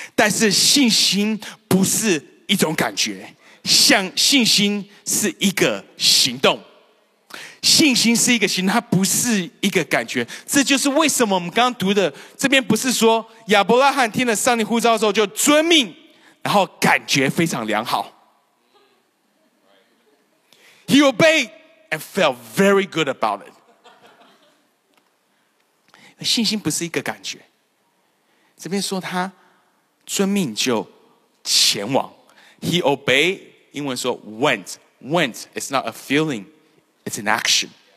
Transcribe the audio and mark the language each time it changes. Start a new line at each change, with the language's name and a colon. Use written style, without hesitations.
Chinese: 但是信心不是一种感觉，像信心是一个行动，信心是一个行动，它不是一个感觉。这就是为什么我们刚刚读的这边不是说亚伯拉罕听了上帝呼召之后就遵命，然后感觉非常良好。
English: He obeyed and felt very good about it。
Chinese: 信心不是一个感觉，这边说他遵命就前往。
English: He obeyed,
Chinese: 英文说
English: went, went, it's not a feelingIt's an action.